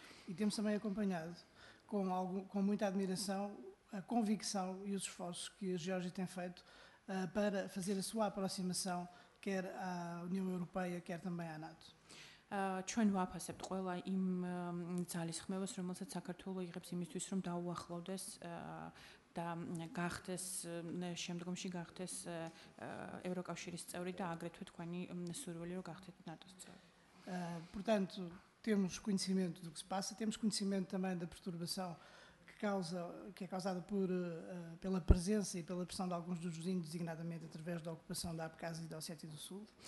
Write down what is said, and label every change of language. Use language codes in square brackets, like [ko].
[pt] E temos também acompanhado com muita admiração a convicção e os esforços que a Geórgia tem feito para fazer a sua aproximação quer à União Europeia, quer também à NATO. [ka] Ჩვენ ვაფასებთ ყველა იმ ძალისხმევას, რომელსაც საქართველო იღებს იმისთვის, რომ დაუახლოვდეს და გახდეს შემდგომში გახდეს ევროკავშირის წევრი და აგრეთვე თქვენი სურვილი რომ გახდეთ ნატოს წევრი. [pt] Portanto, temos conhecimento do que se passa, temos conhecimento também da perturbação que é causada pela presença e pela pressão de alguns dos vizinhos, designadamente através da ocupação da Abcásia e da Ossétia do Sul.